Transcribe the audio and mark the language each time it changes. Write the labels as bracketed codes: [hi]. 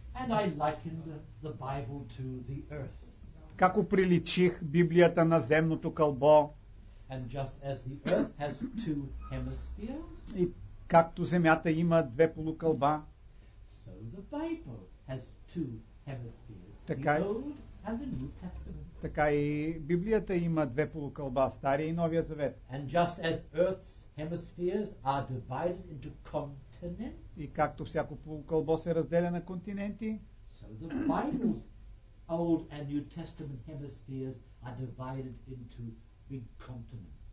[en] And I likened the Bible to the earth. [bg] Как оприличих Библията на земното кълбо. [en] And just as the earth has two hemispheres. [bg] И както земята има две полукълба. [en] So the Bible has two hemispheres. Така, the Old and the New Testament. [bg] Така и Библията има две полукълба, Стария и Новия Завет. [en] And just as earth's hemispheres are divided into continents. [bg] И както всяко полукълбо се разделя на континенти. [en] So the Bible's Old and New Testament hemispheres are divided into big continents.